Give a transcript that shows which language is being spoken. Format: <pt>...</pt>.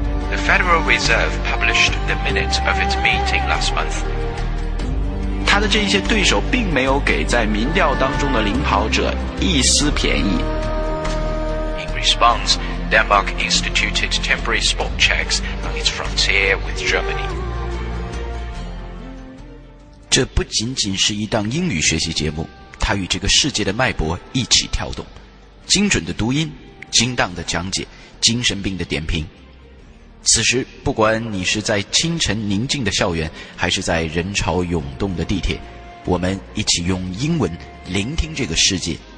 <en>The Federal Reserve published the minutes of its meeting last month.</en> <zh>他的这些对手并没有给在民调当中的领跑者一丝便宜。</zh> <en>In response, Denmark instituted temporary spot checks on its frontier with Germany.</en> <zh>这不仅仅是一档英语学习节目，它与这个世界的脉搏一起跳动。精准的读音，精当的讲解，精神病的点评。此时不管你是在清晨宁静的校园，还是在人潮涌动的地铁，我们一起用英文聆听这个世界。</zh>